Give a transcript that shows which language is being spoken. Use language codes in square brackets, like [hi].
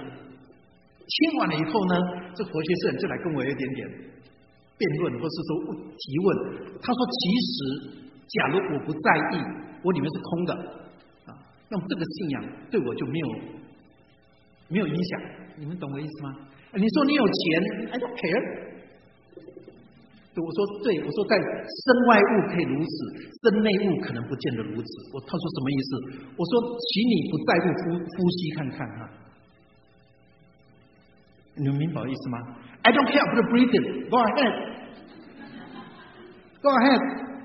[zh] 听完了以后呢，这佛学社就来跟我有点点辩论，或是说提问。他说：“其实，假如我不在意，我里面是空的，啊，那么这个信仰对我就没有影响。你们懂我意思吗？你说你有钱 ， [en] I don't care。” [zh] 我说对，我说在身外物可以如此，身内物可能不见得如此。他说什么意思？我说请你不在乎呼吸看看哈，啊，你们明白我意思吗 ？ [en] I don't care about breathing. Go ahead, go ahead。